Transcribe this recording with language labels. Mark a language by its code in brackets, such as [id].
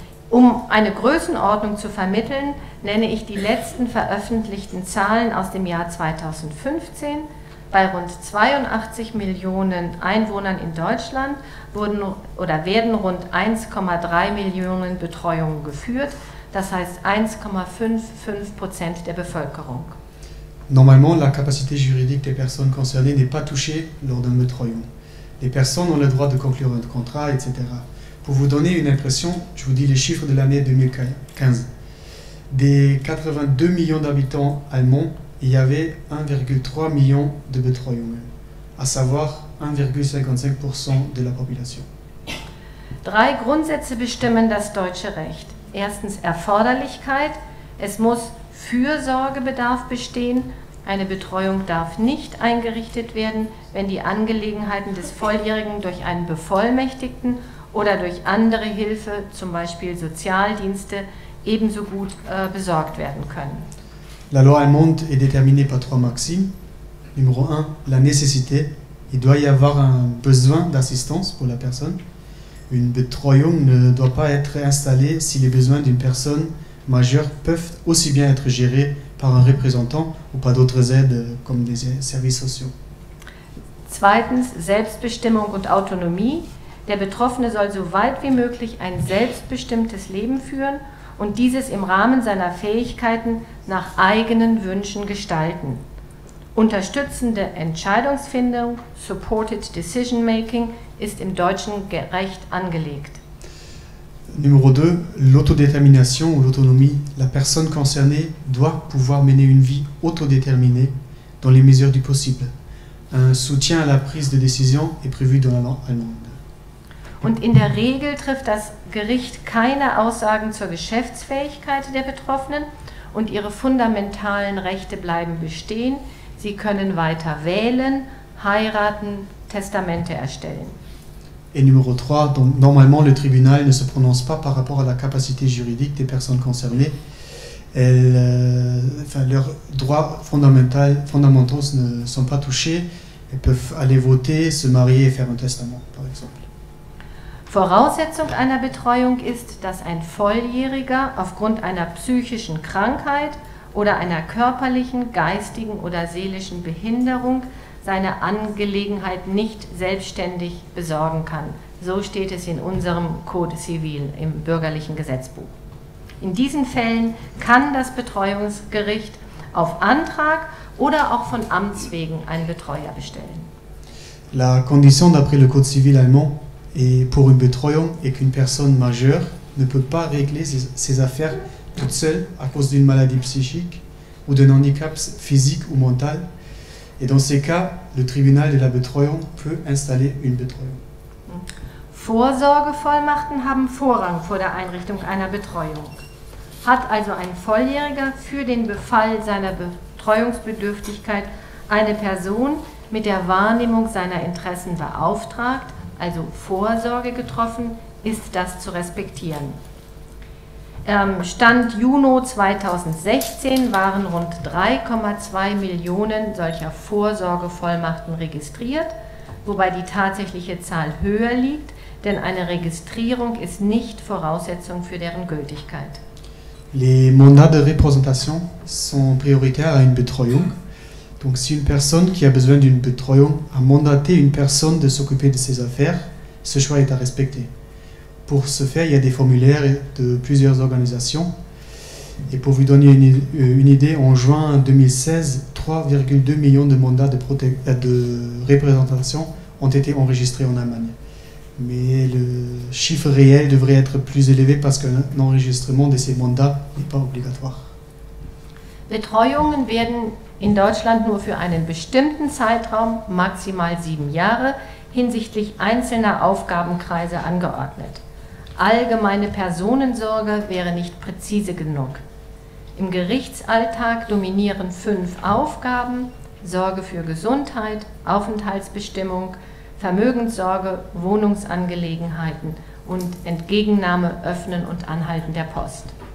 [de] Um eine Größenordnung zu vermitteln, nenne ich die letzten veröffentlichten Zahlen aus dem Jahr 2015. Bei rund 82 Millionen Einwohnern in Deutschland werden rund 1,3 Millionen Betreuungen geführt, das heißt 1,55% der Bevölkerung. [fr] Normalement, la capacité juridique des personnes concernées n'est pas touchée lors d'un Betreuung. Les personnes ont le droit de conclure un contrat, etc. Pour vous donner une impression, je vous dis les chiffres de l'année 2015. Des 82 millions d'habitants allemands, il y avait 1,3 million de Betreuungen, à savoir 1,55% de la population. [de] Drei Grundsätze bestimmen das deutsche Recht. Erstens Erforderlichkeit. Es muss Fürsorgebedarf bestehen. Eine Betreuung darf nicht eingerichtet werden, wenn die Angelegenheiten des Volljährigen durch einen Bevollmächtigten oder durch andere Hilfe, zum Beispiel Sozialdienste, ebenso gut besorgt werden können. [fr] La loi allemande est déterminée par trois maximes. Numéro 1, la nécessité. Il doit y avoir un besoin d'assistance pour la personne. Une Betreuung ne doit pas être installée si les besoins d'une personne majeure peuvent aussi bien être gérés par un représentant ou par d'autres aides comme des services sociaux. [de] Zweitens, Selbstbestimmung und Autonomie. Der Betroffene soll so weit wie möglich ein selbstbestimmtes Leben führen und dieses im Rahmen seiner Fähigkeiten nach eigenen Wünschen gestalten. Unterstützende Entscheidungsfindung, [en] supported decision making, [de] ist im deutschen Recht angelegt. [fr] Numéro 2, l'autodétermination ou l'autonomie. La personne concernée doit pouvoir mener une vie autodéterminée dans les mesures du possible. Un soutien à la prise de décision est prévu dans la loi allemande. [de] Und in der Regel trifft das Gericht keine Aussagen zur Geschäftsfähigkeit der Betroffenen und ihre fundamentalen Rechte bleiben bestehen. Sie können weiter wählen, heiraten, Testamente erstellen. [fr] Et numéro 3, donc normalement le tribunal ne se prononce pas par rapport à la capacité juridique des personnes concernées. Leurs droits fondamentaux ne sont pas touchés. Elles peuvent aller voter, se marier et faire un testament, par exemple. [de] Voraussetzung einer Betreuung ist, dass ein Volljähriger aufgrund einer psychischen Krankheit oder einer körperlichen, geistigen oder seelischen Behinderung seine Angelegenheit nicht selbstständig besorgen kann. So steht es in unserem Code Civil im bürgerlichen Gesetzbuch. In diesen Fällen kann das Betreuungsgericht auf Antrag oder auch von Amts wegen einen Betreuer bestellen. [fr] La condition d'après le Code Civil allemand est pour une Betreuung est qu'une personne majeure ne peut pas régler ses affaires toute seule à cause d'une maladie psychique ou d'un handicap physique ou mental. Et dans ces cas, le tribunal de la Betreuung peut installer une Betreuung. [de] Vorsorgevollmachten haben Vorrang vor der Einrichtung einer Betreuung. Hat also ein Volljähriger für den Befall seiner Betreuungsbedürftigkeit eine Person mit der Wahrnehmung seiner Interessen beauftragt, also Vorsorge getroffen, ist das zu respektieren. Stand Juni 2016 waren rund 3,2 Millionen solcher Vorsorgevollmachten registriert, wobei die tatsächliche Zahl höher liegt, denn eine Registrierung ist nicht Voraussetzung für deren Gültigkeit. [fr] Les mandats de représentation sont prioritaires à une Betreuung. Donc si une personne qui a besoin d'une Betreuung a mandaté une personne de s'occuper de ses affaires, ce choix est à respecter. Pour ce faire, il y a des formulaires de plusieurs organisations. Et pour vous donner une idée, en juin 2016, 3,2 millions de mandats de représentation ont été enregistrés en Allemagne. Mais le chiffre réel devrait être plus élevé parce que l'enregistrement de ces mandats n'est pas obligatoire. [de] Betreuungen werden in Deutschland nur für einen bestimmten Zeitraum, maximal 7 Jahre, hinsichtlich einzelner Aufgabenkreise angeordnet. Allgemeine Personensorge wäre nicht präzise genug. Im Gerichtsalltag dominieren 5 Aufgaben: Sorge für Gesundheit, Aufenthaltsbestimmung, Vermögenssorge, Wohnungsangelegenheiten und Entgegennahme, Öffnen und Anhalten der Post.